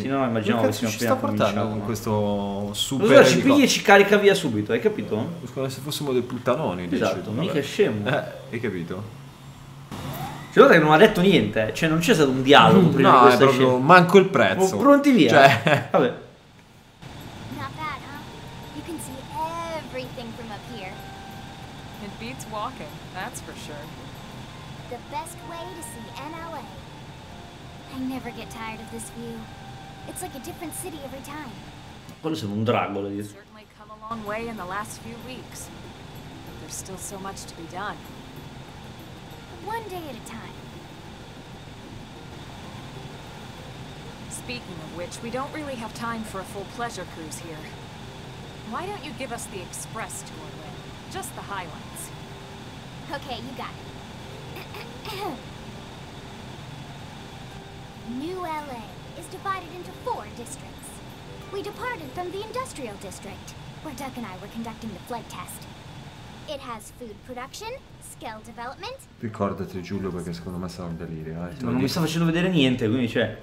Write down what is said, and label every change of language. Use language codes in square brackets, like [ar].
[it] Sì, no, immaginavo che ci sta portando con questo super. Allora ci pigli e ci carica via subito, hai capito? Come se fossimo dei puttanoni. Esatto, mica scemo. Hai capito? C'è l'altro che non ha detto niente, cioè non c'è stato un dialogo prima di questa scena. No, manco il prezzo. Ma pronti via. Cioè, vabbè. [en] Not bad, huh? You can see everything from up here. It beats walking, that's for sure. The best way to see NLA. I never get tired of this view. It's like a different city every time. [it] Quello sembra un drago, lo dico. [en] Certainly come a long way in the last few weeks. But there's still so much to be done. One day at a time. Speaking of which, we don't really have time for a full pleasure cruise here. Why don't you give us the express tour, Lynn? Just the highlights. Okay, you got it. New LA is divided into four districts. We departed from the industrial district, where Doug and I were conducting the flight test. It has food production, scale development. [it] Ricordati, Giulio, perché secondo me sarà un delirio. Ma non mi sta facendo vedere niente, quindi c'è.